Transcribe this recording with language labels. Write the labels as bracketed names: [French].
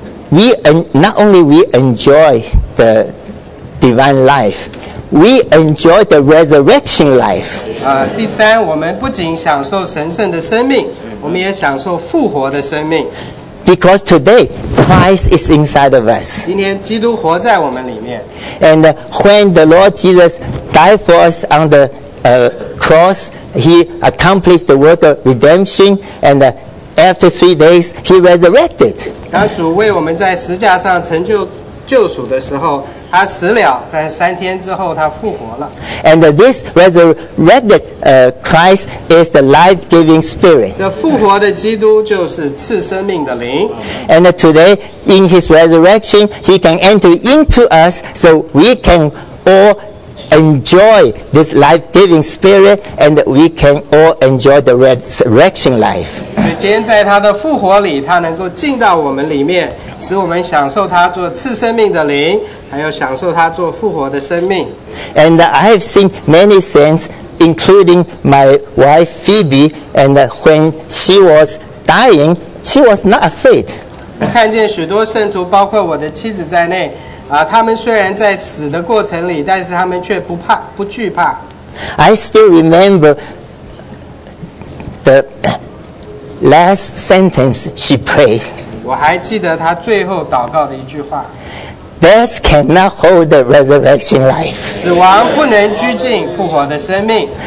[English] Not only we enjoy the divine life, we enjoy the resurrection life. [Chinese] 第三，我们不仅享受神圣的生命，我们也享受复活的生命。 [English] Because today Christ is inside of us. [Chinese] 今天基督活在我们里面。 [English] And when the Lord Jesus died for us on the cross, He accomplished the work of redemption and. After 3 days, he resurrected. [Chinese] 当主为我们在十架上成就救赎的时候，他死了，但三天之后他复活了。 [English] And this resurrected Christ is the life-giving spirit. [Chinese] 这复活的基督就是赐生命的灵。 [English] And today, in his resurrection, he can enter into us so we can all enjoy this life-giving spirit and we can all enjoy the resurrection life. [Chinese] 今天在他的复活里，他能够进到我们里面，使我们享受他做赐生命的灵，还有享受他做复活的生命。 [English] And I have seen many saints, including my wife Phoebe, and when she was dying, she was not afraid. [Chinese] 看见许多圣徒，包括我的妻子在内，他们虽然在死的过程里，但是他们却不怕，不惧怕。 [English] I still remember the last sentence she prayed. [Chinese] 我还记得他最后祷告的一句话 [English] Death cannot hold the resurrection life. [Chinese] 死亡不能拘禁复活的生命